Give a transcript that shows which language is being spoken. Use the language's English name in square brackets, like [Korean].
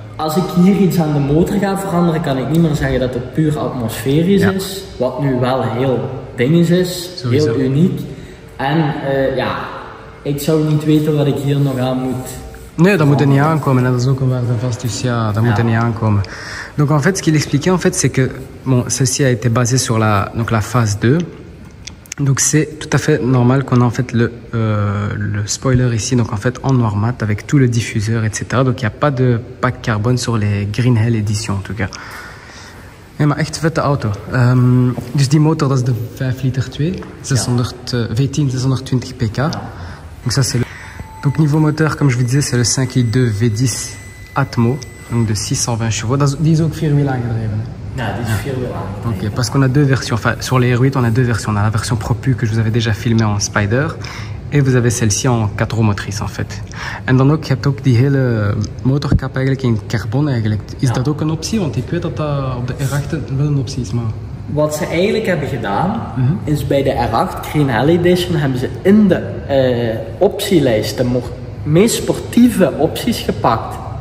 [Dutch] Als ik hier iets aan de motor ga veranderen, kan ik niet meer zeggen dat het puur atmosferisch is. Wat nu wel heel dinges is. Sowieso. Heel uniek. En ik zou niet weten wat ik hier nog aan moet. Nee, dat moet er niet aankomen. Dat is ook een waarde vast. Dus ja, dat moet er niet aankomen. [French] Donc en fait, ce qu'il expliquait, en fait, c'est que bon, ceci a été basé sur la phase 2. Donc c'est tout à fait normal qu'on a en fait le spoiler ici, donc en fait en noir mat avec tout le diffuseur, etc. Donc il n'y a pas de pack carbone sur les Green Hell édition en tout cas. Et [Dutch] ma echt vette auto. Dus die motor, dat is de 5 liter 2, 600, V10 620 pk. [French] Donc ça c'est le... Donc niveau moteur, comme je vous disais, c'est le 5 litre 2 V10 Atmo, donc de 620 chevaux. [Dutch] Die is ook 4000 aangedreven. Ja, [French] okay, parce qu'on a deux versions. Enfin, sur les R8, on a deux versions. On a la version propu que je vous avais déjà filmée en Spider. Et vous avez celle-ci en 4 roues motrices, en fait. [Dutch] En dan ook, je hebt ook die hele motorkap eigenlijk in carbone, eigenlijk. Is dat ook een optie? Want ik weet dat dat op de R8 wel een optie is, maar... Wat ze eigenlijk hebben gedaan, mm-hmm. is bij de R8 Green Hell Edition hebben ze in de optielijst de meest sportieve opties gepakt.